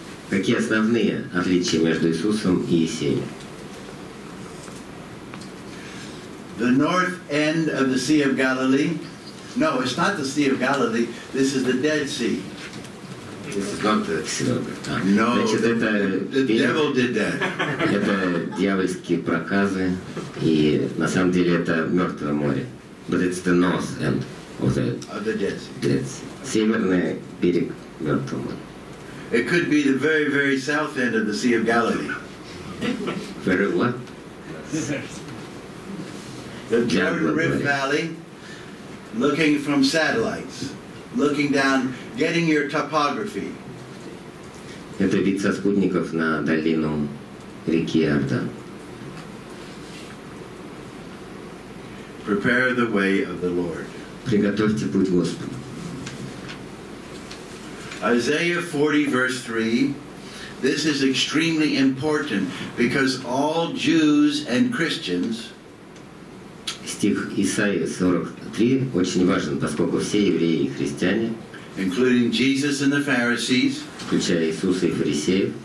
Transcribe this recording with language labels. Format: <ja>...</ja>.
<ru>Какие основные отличия между Иисусом и Есеем?</ru> <en>The north end of the Sea of Galilee. No, it's not the Sea of Galilee. This is the Dead Sea. This is not the Sea of Galilee. No,</en> <ru>значит,</ru> <en>the devil did that.</en> <ru>Это дьявольские проказы, и на самом деле это Мертвое море.</ru> <en>But it's the north end of the Dead Sea.</en> <ru>Северный берег Мертвого моря.</ru> <en>It could be the very, very south end of the Sea of Galilee. Very what? The Jordan River Valley, looking from satellites, looking down, getting your topography.</en> <ru>Это вид со спутников на долину реки Иордан.</ru> <en>Prepare the way of the Lord.</en> <ru>Приготовьте путь Господу.</ru> <en>Isaiah 40, verse 3, this is extremely important because all Jews and Christians,</en> <ru>стих Исаии 43 очень важен, поскольку все евреи и христиане,</ru> <en>including Jesus and the Pharisees,</en> <ru>включая Иисуса и фарисеев,</ru>